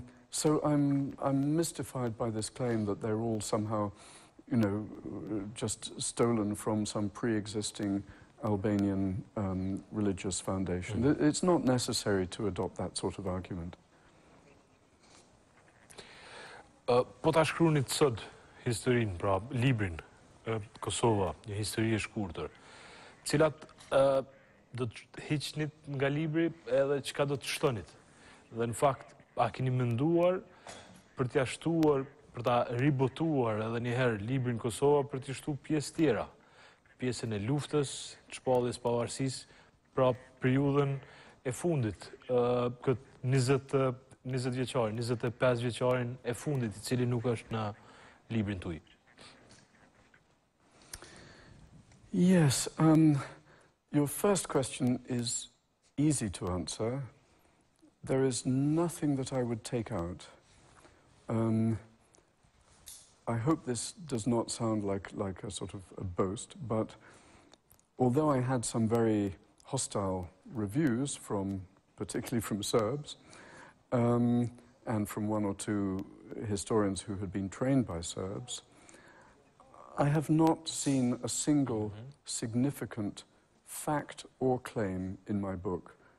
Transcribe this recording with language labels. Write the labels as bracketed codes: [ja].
[en] So I'm mystified by this claim that they're all somehow, you know, just stolen from some pre-existing Albanian religious foundation. Mm-hmm. It's not necessary to adopt that sort of argument. [sq] Po ta shkruanit sot historinë, pra librin Kosova, një histori e shkurtër. Cilat do të hiqnit nga libri edhe çka do të shtonit? Dhe në fakt a keni menduar për t'ia shtuar, për ta ribotuar edhe një herë librin Kosova për t'i shtu pjesë tjera? Pjesën e luftës, çpalljes pavarësisë, pra periudhën e fundit, këtë 20-vjeçarin, 25-vjeçarin e fundit, i cili nuk është në librin tuaj. [en] Yes, your first question is easy to answer. There is nothing that I would take out. I hope this does not sound like a sort of a boast, but although I had some very hostile reviews from, particularly from Serbs, and from one or two historians who had been trained by Serbs, I have not seen a single significant fact or claim in my book